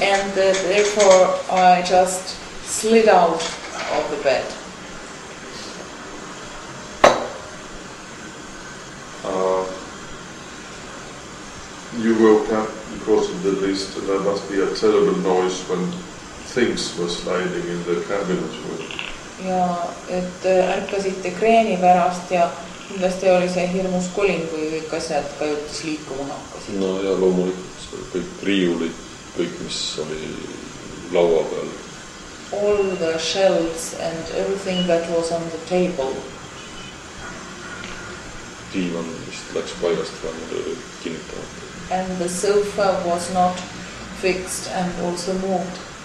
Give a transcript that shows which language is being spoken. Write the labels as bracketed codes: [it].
[en] And therefore I just slid out of the bed. You woke up because of the list, and there must be a terrible noise when things were sliding in the cabin as well. [et] Ja et ärkasite kreeni pärast ja kindlasti oli see hirmus kolin, kui kõik asjad kajutas liikuma hakkasid. No ja loomulikult kõik riiulid, kõik mis oli laua peal. [en] All the shelves and everything that was on the table. [et] Diivan vist läks paigast vähemalt kinnitamata. [en] And the sofa was not fixed and also moved.